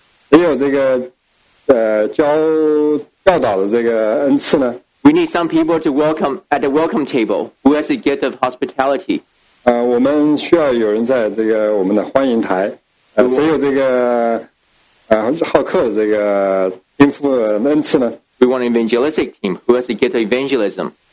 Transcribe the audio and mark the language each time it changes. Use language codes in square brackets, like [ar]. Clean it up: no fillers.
[zh] 也有这个教导的这个恩赐呢。 [en] We need some people to welcome at the welcome table. Who has the gift of hospitality? [zh] 我们需要有人在这个我们的欢迎台。谁有这个好客这个天赋恩赐呢？ [en] We want an evangelistic team. Who has the gift of evangelism?